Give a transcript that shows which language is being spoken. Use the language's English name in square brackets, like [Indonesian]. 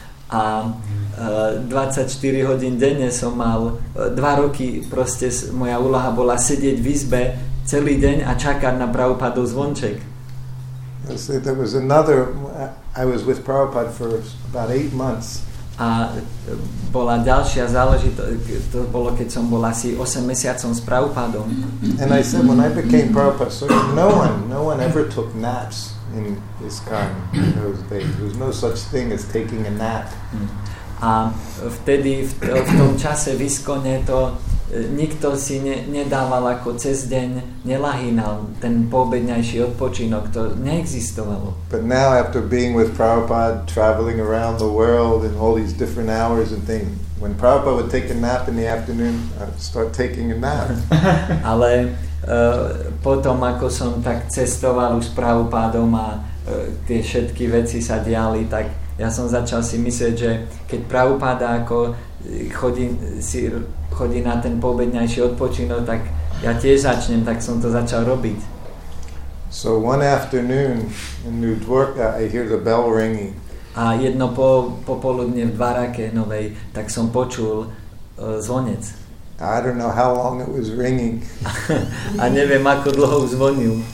[Slovak] A 24 hodín denne som mal 2 roky, proste moja úloha bola sedieť v izbe celý deň a čakať na Prabhupádov zvonček. [English] There was another, I was with Prabhupada for about 8 months. [Slovak] A bola ďalšia záležitosť, to bolo, keď som bol asi 8 mesiacom s Prabhupádom. [English] And I said, when I became Prabhupada, so no one ever took naps in this kind in those days. There was no such thing as taking a nap. [Slovak] A vtedy, v tom čase v Iskone, to nikto si nedával ako cez deň, nelahínal ten poobedňajší odpočinok, to neexistovalo. [English] But now after being with Prabhupada, traveling around the world in all these different hours and things, when Prabhupada would take a nap in the afternoon, I'd start taking a nap. [Slovak] Ale potom, ako som tak cestoval už s Prabhupádom a tie všetky veci sa diali, tak ja som začal si myslieť, že keď Prabhupáda ako chodí na ten poobedňajší odpočinok, tak ja tiež začnem, tak som to začal robiť. [English] So one afternoon in New Dvorka I hear the bell ringing. [Slovak] A jedno popoludne v Dvarake novej, tak som počul zvonec. [English] I don't know how long it was ringing. [Slovak] A neviem, ako dlho zvonil.